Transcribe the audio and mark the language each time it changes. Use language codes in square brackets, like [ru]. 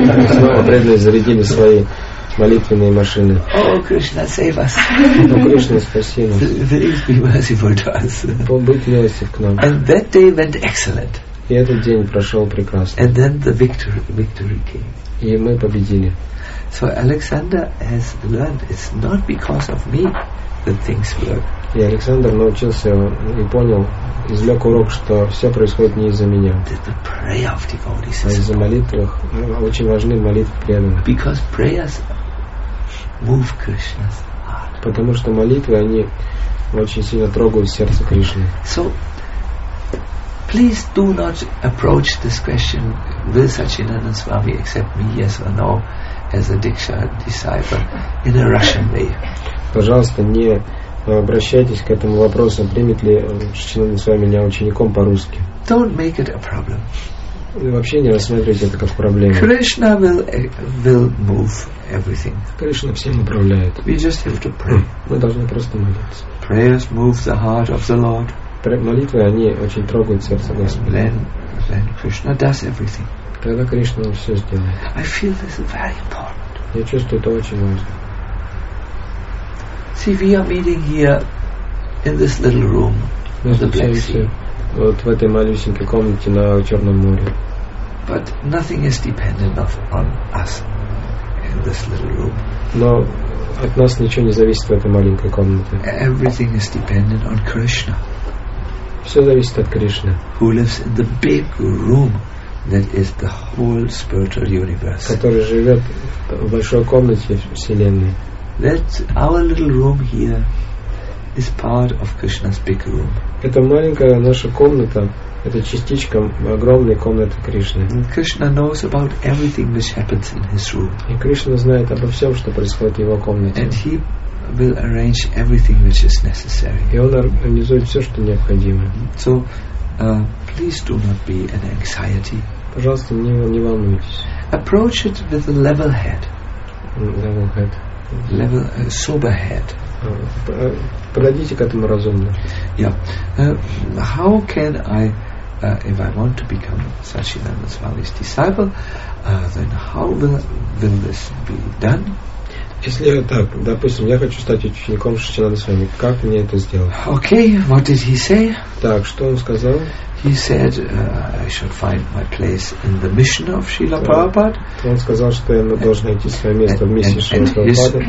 [ru] Снова преданные зарядили свои молитвенные машины. [en] Oh, Krishna, save us. [ru] Ну, Кришна, спаси нас. [en] Please be merciful to us. [ru] Будь милостив к нам. [en] And that day went excellent. [ru] И этот день прошел прекрасно. [en] And then the victory came. [ru] И мы победили. [en] So Alexander has learned it's not because of me that things work. [ru] И Александр научился и понял, извлек урок, что все происходит не из-за меня. [en] That the prayer of devotees, [ru] а из-за молитв. Очень важны молитвы преданных. [en] Because prayers move Krishna's heart. [ru] Потому что молитвы, они очень сильно трогают сердце Кришны. [en] So, please do not approach this question, will Sachinanda Swami accept me, yes or no, as a Diksha disciple, in a Russian way. [ru] Пожалуйста, не обращайтесь к этому вопросу, примет ли Сачинанда Свами меня учеником по-русски. [en] Don't make it a problem. [ru] Вообще не рассматривайте это как проблему. [en] Krishna will move everything. [ru] Кришна всем управляет. [en] We just have to pray. [ru] Мы должны просто молиться. [en] Prayers move the heart of the Lord. [ru] Молитвы, они очень трогают сердце Господа. [en] Then Krishna does everything. [ru] Тогда Кришна все сделает. [en] I feel this is very important. [ru] Я чувствую, это очень важно. [en] See, we are meeting here in this little room on the Black Sea. [ru] Вот в этой малюсенькой комнате на Черном море. [en] But nothing is dependent on us in this little room. [ru] Но от нас ничего не зависит в этой маленькой комнате. [en] Everything is dependent on Krishna. [ru] Все зависит от Кришны. [en] Who lives in the big room that is the whole spiritual universe. [ru] Который живет в большой комнате вселенной. [en] That our little room here is part of Krishna's big room. [ru] Эта маленькая наша комната, это частичка огромной комнаты Кришны. [en] And Krishna knows about everything which happens in his room. [ru] И Кришна знает обо всем, что происходит в его комнате. [en] And he will arrange everything which is necessary. [ru] И он организует все, что необходимо. [en] So, please do not be an anxiety. [ru] Пожалуйста, не волнуйтесь. [en] Approach it with a level head. Level head. Level, sober head. [ru] Подойдите к этому разумно. [en] Yeah. How can I, if I want to become Sachinanda Swami's disciple, then how will this be done? [ru] Если так, допустим, я хочу стать учеником Сачинанды Свами, как мне это сделать? [en] Okay, what did he say? [ru] Так, что он сказал? [en] He said, I should find my place in the mission of Srila Prabhupada. [ru] Он сказал, что я должен найти свое место в миссии Шрила Прабхупады.